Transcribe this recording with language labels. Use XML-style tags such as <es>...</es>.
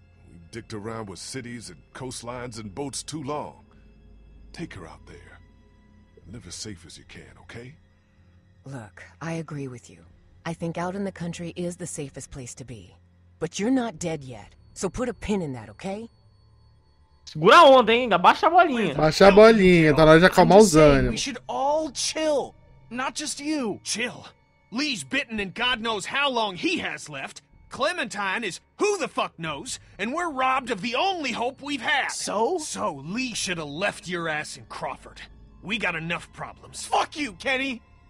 <en>We dicked around with cities and coastlines and boats too long. Take her out there. Live as safe as you can, okay? Look, I agree with you. I think out in the country is the safest place to be. But you're not dead yet, so put a pin in that, okay?</en> <pt>Segura a onda, hein? Abaixa a bolinha. Abaixa a bolinha, tá na hora de acalmar os ânimos.</pt> <en>We should all chill, not just you. Chill. Lee's bitten and God knows how long he has left. Clementine is who the fuck knows, and we're robbed of the only hope we've had. So? So Lee should have left your ass in Crawford. We got enough problems. Fuck you, Kenny!</en>